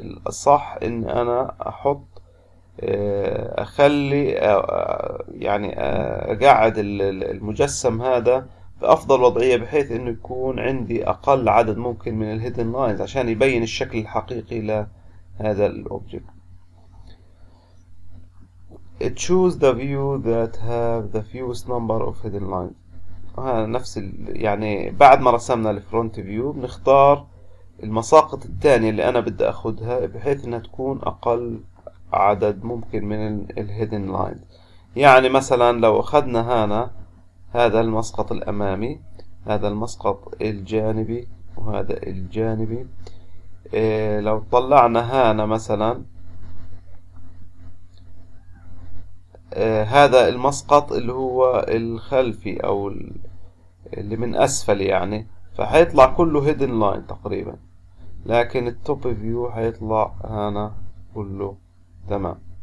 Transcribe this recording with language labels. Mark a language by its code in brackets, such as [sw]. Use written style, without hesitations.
[ar] الصح ان انا احط اخلي يعني اقعد المجسم هذا بأفضل وضعية بحيث انه يكون عندي اقل عدد ممكن من الهيدن لاينز عشان يبين الشكل الحقيقي لهذا الاوبجكت. [en] choose the view that have the fewest number of hidden lines. [ar] هذا نفس يعني بعد ما رسمنا الفرونت فيو بنختار المساقط الثانية اللي انا بدي اخذها بحيث انها تكون اقل عدد ممكن من الهيدن لاينز. يعني مثلا لو اخذنا هنا هذا المسقط الأمامي، هذا المسقط الجانبي، وهذا الجانبي، لو طلعنا هنا مثلا هذا المسقط اللي هو الخلفي أو اللي من أسفل يعني، فهيطلع كله هيدن لاين تقريبا، لكن التوب فيو هيطلع هنا كله تمام.